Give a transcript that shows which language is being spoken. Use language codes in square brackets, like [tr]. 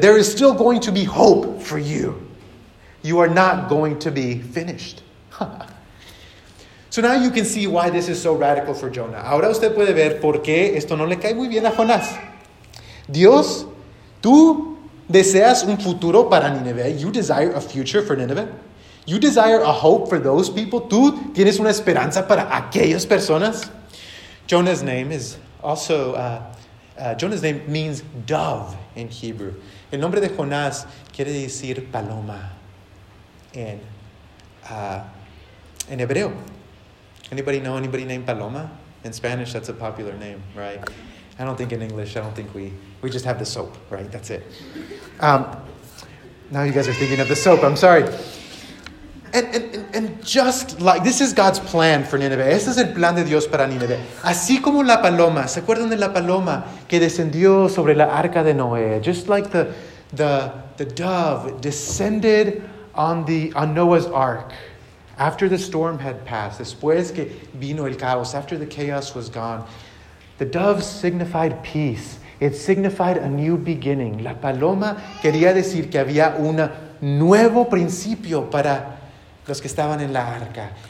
[en] There is still going to be hope for you. You are not going to be finished. So now you can see why this is so radical for Jonah. [es] Ahora usted puede ver por qué esto no le cae muy bien a Jonás. Dios, tú deseas un futuro para Nineveh. [en] You desire a future for Nineveh. You desire a hope for those people. [es] Tú tienes una esperanza para aquellas personas. [en] Jonah's name is also, Jonah's name means dove in Hebrew. [es] El nombre de Jonás quiere decir paloma en Hebreo. [en] Anybody know anybody named Paloma? In Spanish, that's a popular name, right? I don't think in English, I don't think we just have the soap, right? That's it. Now you guys are thinking of the soap, I'm sorry. And just like, this is God's plan for Nineveh. [es] Este es el plan de Dios para Nineveh. Así como la paloma, ¿se acuerdan de la paloma que descendió sobre la arca de Noé? [en] Just like the dove descended on Noah's ark after the storm had passed, [es] después que vino el caos, [en] after the chaos was gone, the dove signified peace. It signified a new beginning. [es] La paloma quería decir que había un nuevo principio para los que estaban en la arca.